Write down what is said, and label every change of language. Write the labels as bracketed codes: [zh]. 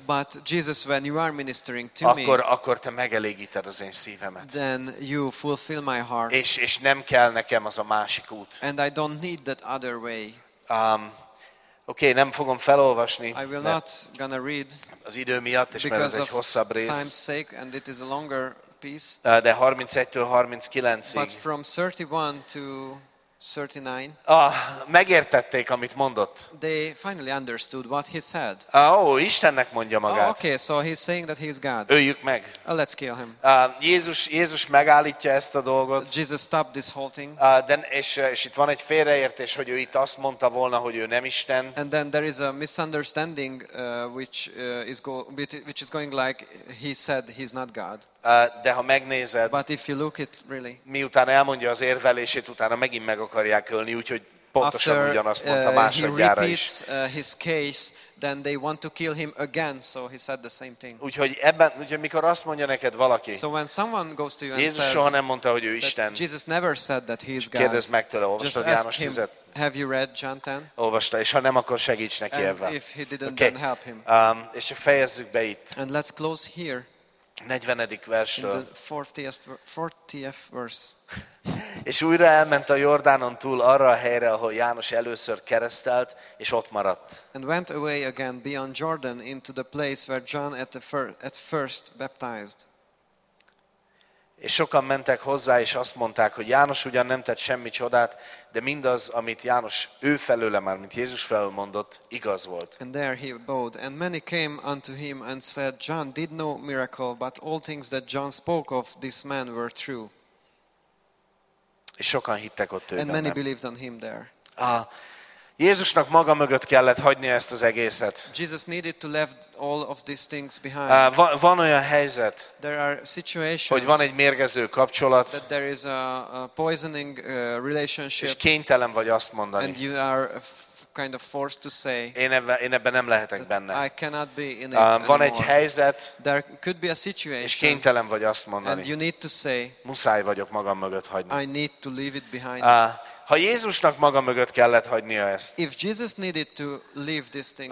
[en] But Jesus, when you are ministering to [hu] akkor te megelégíted az én szívemet. [en] Then you fulfill my heart. [hu] És nem kell nekem az a másik út. [en] And I don't need that other way. [hu] Oké, nem fogom felolvasni. [en] I will not gonna read [hu] az idő miatt, és mert ez egy hosszabb rész. [en] Time's sake and it is a longer piece. [hu] De 31-től 39-ig. [en] But from 31 to 39. [hu] Megértették, amit mondott. [en] They finally understood what he said. [hu] Istennek mondja magát. [en] Okay, so he's saying that he's God. [hu] Öljük meg. [en] Let's kill him. [hu] Jézus megállítja ezt a dolgot. [en] Jesus stopped this whole thing. [hu] És itt van egy félreértés, hogy ő itt azt mondta volna, hogy ő nem Isten. [en] And then there is a misunderstanding which is going like he said he's not God. [hu] De ha megnézed, [en] but if you look it really, [hu] miután elmondja az érvelését, utána megint meg akarják ölni, úgyhogy pontosan ugyanazt mondta másodjára is. [en] His case, then they want to kill him again, so he said the same thing. [hu] Úgyhogy ebben, ugye mikor azt mondja neked valaki, [en] so when someone goes to you and [hu] Jézus soha nem mondta, hogy ő Isten. [en] Jesus never said that he is God. [hu] Kérdezd meg tőle, olvastad János 10-et? [en] Have you read John 10? [hu] Olvasta, és ha nem, akkor segíts neki ebben. [en] If he didn't, okay. Then help him. [hu] És fejezzük be itt. [en] And let's close here. [hu] 40. verstől. [en] In the 40th verse. [hu] És újra elment a Jordánon túl arra a helyre, ahol János először keresztelt, és ott maradt. [en] And went away again beyond Jordan into the place where John at first baptized. [hu] És sokan mentek hozzá, és azt mondták, hogy János ugyan nem tett semmi csodát, de mindaz, amit János ő felőle már, mint Jézus felől mondott, igaz volt. [en] And there he abode, and many came unto him and said, John did no miracle, but all things that John spoke of this man were true. [hu] És sokan hittek ott ő benne. [en] And many believed on him there. [hu] Jézusnak maga mögött kellett hagynia ezt az egészet. [en] Jesus needed to leave all of these things behind. [hu] Van olyan helyzet, [en] there are situations, [hu] hogy van egy mérgező kapcsolat, [en] that there is a poisoning relationship, [hu] és kénytelen vagy azt mondani. [en] And you are kind of forced to say, [hu] én ebben nem lehetek benne. [en] I cannot be in it anymore. [hu] Van egy helyzet, [en] there could be a situation, [hu] és kénytelen vagy azt mondani. [en] And you need to say, [hu] muszáj vagyok magam mögött hagyni. [en] I need to leave it behind. [hu] Ha Jézusnak maga mögött kellett hagynia ezt, [en] if Jesus needed to leave this thing,